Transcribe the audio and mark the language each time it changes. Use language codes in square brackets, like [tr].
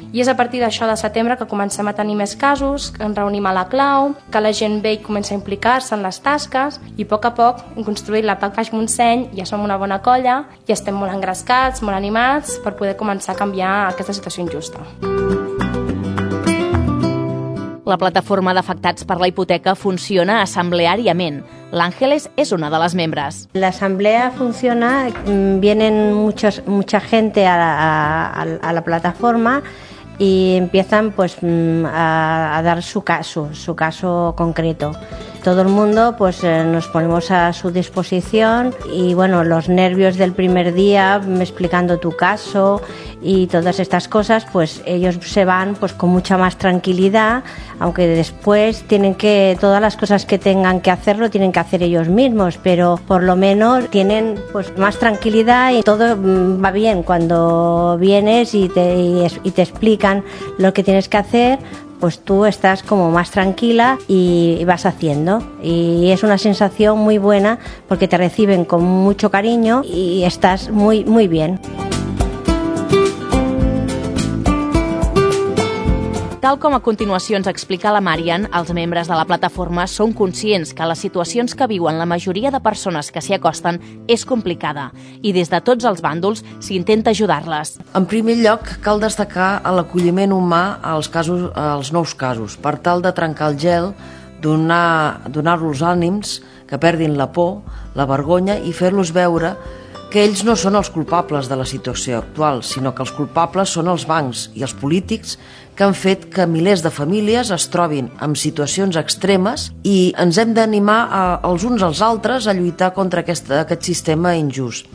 [ca] I és a partir d'això de setembre que comencem a tenir més casos, que ens reunim a la clau, que la gent ve i comença a implicar-se en les tasques i a poc hem construït la PAC Baix Montseny, ja som una bona colla i estem molt engrescats, molt animats per poder començar a canviar aquesta situació injusta. La plataforma d'afectats per la hipoteca funciona assembleàriament. L'Àngeles és una de les membres. L'assemblea funciona, [es] vienen mucha gente a la plataforma y empiezan pues a dar su caso concreto. Todo el mundo pues nos ponemos a su disposición y bueno, los nervios del primer día explicando tu caso y todas estas cosas, pues ellos se van pues con mucha más tranquilidad, aunque después tienen que todas las cosas que tengan que hacer lo tienen que hacer ellos mismos, pero por lo menos tienen pues más tranquilidad y todo va bien cuando vienes y te explican lo que tienes que hacer. Pues tú estás como más tranquila y vas haciendo. Y es una sensación muy buena porque te reciben con mucho cariño y estás muy, muy bien. [ca] Tal com a continuació ens explica la Marian, els membres de la plataforma són conscients que les situacions que viuen la majoria de persones que s'hi acosten és complicada i des de tots els bàndols s'intenta ajudar-les. En primer lloc, cal destacar l'acolliment humà als nous casos per tal de trencar el gel, donar-los ànims, que perdin la por, la vergonya i fer-los veure que ells no són els culpables de la situació actual, sinó que els culpables són els bancs i els polítics que han fet que milers de famílies es trobin en situacions extremes i ens hem d'animar els uns als altres a lluitar contra aquest sistema injust.